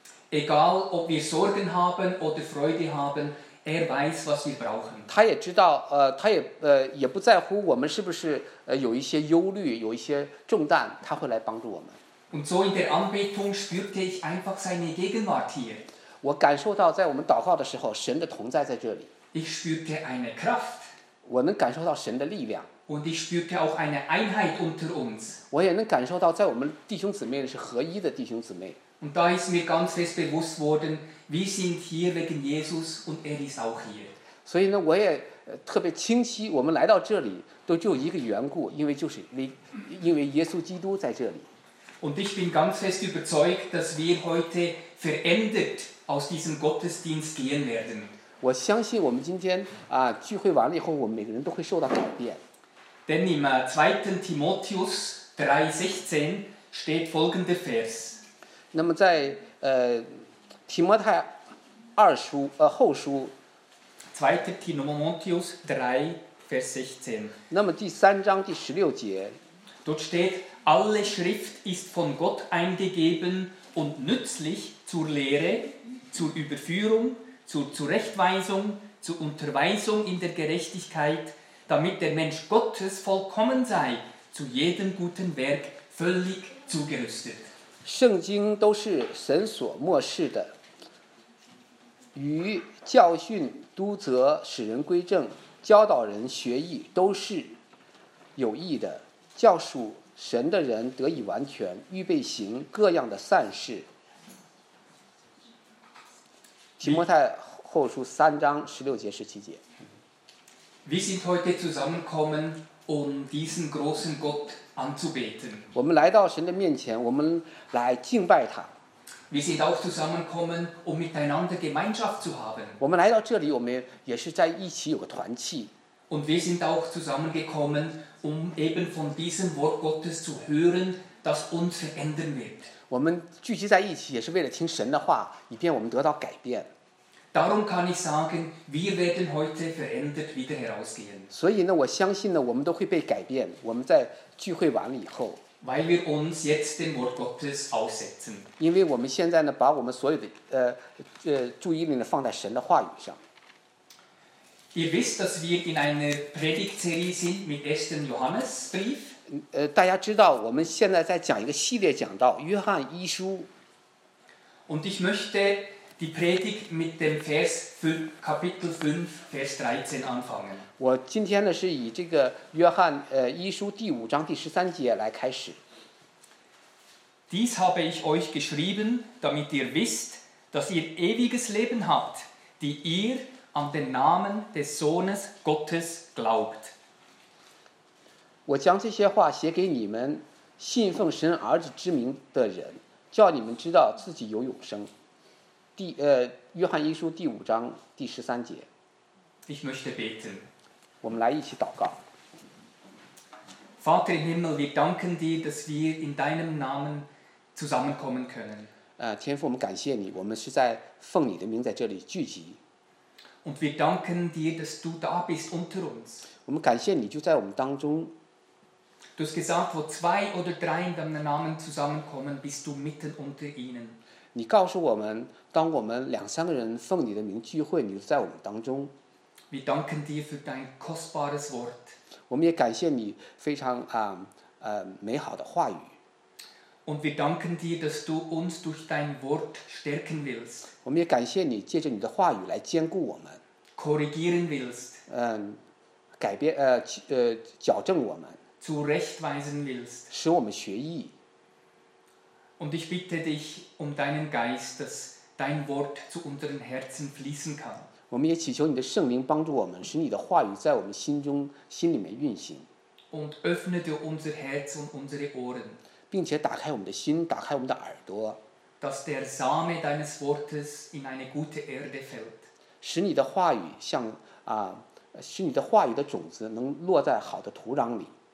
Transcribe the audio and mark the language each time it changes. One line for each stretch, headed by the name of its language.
German: Egal, ob wir Sorgen haben oder Freude haben, er weiß, was wir brauchen.
Chinese: 他也知道，他也不在乎我们是不是有一些忧虑，有一些重担，他会来帮助我们。
German: Und so in der Anbetung spürte ich einfach seine Gegenwart hier.
Chinese: 我感受到在我们祷告的时候，神的同在在这里。
German: Ich spürte eine Kraft.
Chinese: 我能感受到神的力量。
German: Und ich spürte auch eine Einheit unter uns.
Chinese: 我也能感受到在我们弟兄姊妹是合一的弟兄姊妹。
German: Und da ist mir ganz fest bewusst worden, wir sind hier wegen Jesus und er ist auch hier.
Chinese: 所以呢，我也特别清晰，我们来到这里都就一个缘故，因为耶稣基督在这里。
German: Und ich bin ganz fest überzeugt, dass wir heute verändert aus diesem Gottesdienst gehen werden.
Chinese: 我相信我们今天聚会完了以后，我们每个人都会受到改变。
German: Denn im 2. Timotheus 3,16 steht folgender Vers.
Chinese: 那么在提摩太二书后书
German: 2. Timotheus 3 Vers 16
Chinese: 那么第三章第十六节
German: Dort steht Alle Schrift ist von Gott eingegeben und nützlich zur Lehre, zur Überführung, zur Zurechtweisung, zur Unterweisung in der Gerechtigkeit, damit der Mensch Gottes vollkommen sei, zu jedem guten Werk völlig zugerüstet.
Chinese: 圣经都是神所默示的，与教训、督责、使人归正、教导人学义，都是有益的，教属神的人得以完全，预备行各样的善事。提摩太后书三章十六节十七节。
German: Wir sind heute zusammengekommen, um diesen großen Gott.
Chinese: 我们来到神的面前，我们来敬拜他。
German: Wir sind auch zusammengekommen, um miteinander Gemeinschaft zu haben.
Chinese: 我们来到这里，我们也是在一起有个团契。
German: Und wir sind auch zusammengekommen, um eben von diesem Wort Gottes zu hören, das uns ändern wird.
Chinese: 我们聚集在一起也是为了听神的话，以便我们得到改变。
German: Darum kann ich sagen, wir werden heute verändert wieder herausgehen.
Chinese: 所以呢，我相信呢，我们都会被改变。我们在聚会完了以后。
German: Weil wir uns jetzt dem Wort Gottes aussetzen.
Chinese: 因为我们现在呢，把我们所有的注意力呢放在神的话语上。
German: Ihr wisst, dass wir in einer Predigtserie sind mit ersten Johannesbrief.
Chinese: 大家知道，我们现在在讲一个系列讲到约翰一书。
German: Und ich möchte die Predigt mit dem Vers 5, Kapitel 5, Vers 13 anfangen.
Chinese: 我今天呢是以这个约翰一书第五章第十三节来开始。
German: Dies habe ich euch geschrieben, damit ihr wisst, dass ihr ewiges Leben habt, die ihr an den Namen des Sohnes Gottes glaubt.
Chinese: 我将这些话写给你们信奉神儿子之名的人，叫你们知道自己有永生。约翰一书第五章第十三节。
German: Ich möchte beten.
Chinese: 我们来一起祷告。
German: Vater im Himmel, wir danken dir, dass wir in deinem Namen zusammenkommen können.
Chinese: 天父，我们感谢你，我们是在奉你的名在这里聚集。
German: Und wir danken dir, dass du da bist unter uns.
Chinese: 我们感谢你就在我们当中。
German: Du hast gesagt, wo zwei oder drei in deinem Namen zusammenkommen, bist du mitten unter ihnen.
Chinese: 你告诉我们，当我们两三个人奉你的名聚会，你就在我们当中。
German: Wir danken dir für dein kostbares Wort.
Chinese: 我们也感谢你非常美好的话语。
German: Und wir danken dir, dass du uns durch dein Wort stärken willst.
Chinese: 我们也感谢你借着你的话语来坚固我们。
German: Korrigieren willst.
Chinese: 改变矫正我们。
German: Zurechtweisen willst.
Chinese: 使我们学义。
German: Und ich bitte dich um deinen Geist, dass dein Wort zu unseren Herzen fließen kann.
Chinese: 我们也祈求你的圣灵帮助我们，使你的话语在我们心中心里面运行。
German: Und öffne dir unser Herz und unsere Ohren.
Chinese: 并且打开我们的心，打开我们的耳朵。
German: Dass der Same deines Wortes in eine gute Erde fällt.
Chinese: 使你的话语像使你的话语的种子能落在好的土壤里。